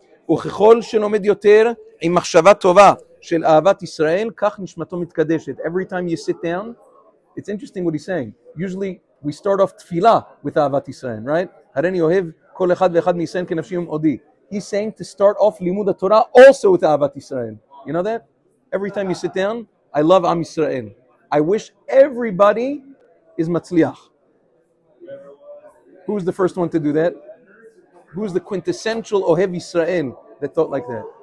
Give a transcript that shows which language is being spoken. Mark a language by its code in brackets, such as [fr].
[he] וככל שלומד יותר עם מחשבה טובה של אהבת ישראל, כך נשמתו מתקדשת. [en] Every time you sit down, it's interesting what he's saying. Usually, we start off תפילה with אהבת ישראל, right? [he] הרי אוהב כל אחד ואחד מישראל כנפשי ומאודי. [en] He's saying to start off [he] לימוד התורה [en] also with אהבת ישראל. You know that? Every time you sit down, I love Am Yisrael. I wish everybody is Matzliach. Who's the first one to do that? Who's the quintessential Ohev Yisrael that thought like that?